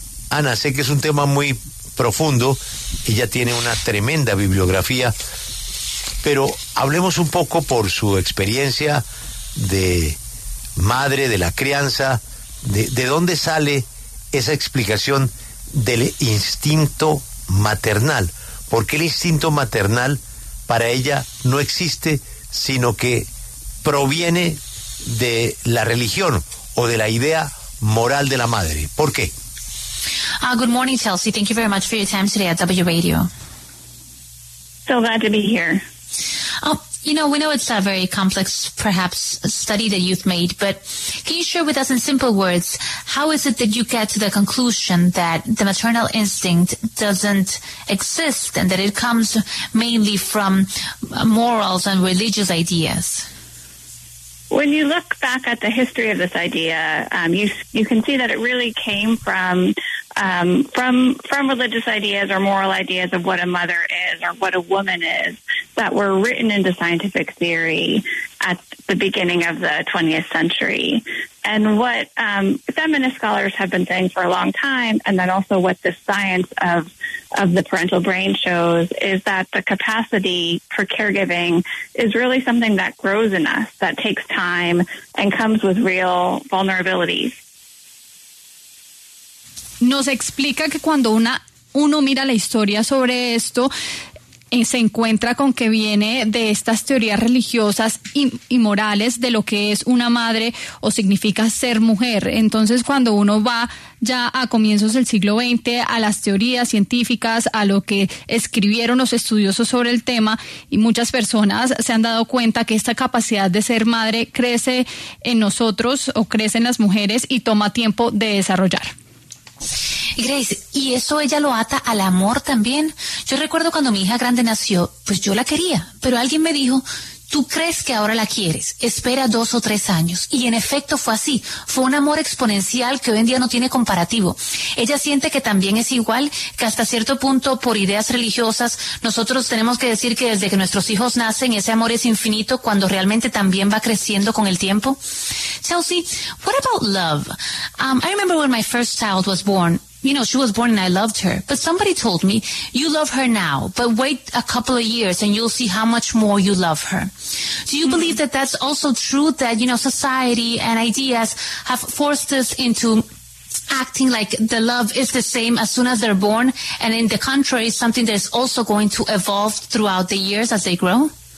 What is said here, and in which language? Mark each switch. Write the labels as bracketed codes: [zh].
[es] Ana, sé que es un tema muy profundo, ella tiene una tremenda bibliografía, pero hablemos un poco por su experiencia de madre, de la crianza, de dónde sale esa explicación del instinto maternal. ¿Por qué el instinto maternal para ella no existe, sino que proviene de la religión o de la idea moral de la madre? ¿Por qué? [en] Good morning, Chelsea. Thank you very much for your time today at W Radio. So glad to be here. You know, we know it's a very complex, perhaps, study that you've made, but can you share with us in simple words, how is it that you get to the conclusion that the maternal instinct doesn't exist and that it comes mainly from morals and religious ideas? When you look back at the history of this idea, you can see that it really came from religious ideas or moral ideas of what a mother is or what a woman is that were written into scientific theory at the beginning of the 20th century. And what feminist scholars have been saying for a long time, and then also what the science of the parental brain shows, is that the capacity for caregiving is really something that grows in us, that takes time and comes with real vulnerabilities. [es] Nos explica que cuando uno mira la historia sobre esto, se encuentra con que viene de estas teorías religiosas y morales de lo que es una madre o significa ser mujer. Entonces, cuando uno va ya a comienzos del siglo XX, a las teorías científicas, a lo que escribieron los estudiosos sobre el tema, y muchas personas se han dado cuenta que esta capacidad de ser madre crece en nosotros o crece en las mujeres y toma tiempo de desarrollar. Grace, ¿y eso ella lo ata al amor también? Yo recuerdo cuando mi hija grande nació, pues yo la quería, pero alguien me dijo, tú crees que ahora la quieres, espera 2 o 3 años. Y en efecto fue así, fue un amor exponencial que hoy en día no tiene comparativo. Ella siente que también es igual, que hasta cierto punto por ideas religiosas, nosotros tenemos que decir que desde que nuestros hijos nacen, ese amor es infinito cuando realmente también va creciendo con el tiempo. [en] Chelsea, what about love? I remember when my first child was born. You know, she was born and I loved her. But somebody told me, you love her now, but wait a couple of years and you'll see how much more you love her. Do you believe that that's also true, that, you know, society and ideas have forced us into acting like the love is the same as soon as they're born, and in the contrary, something that is also going to evolve throughout the years as they grow?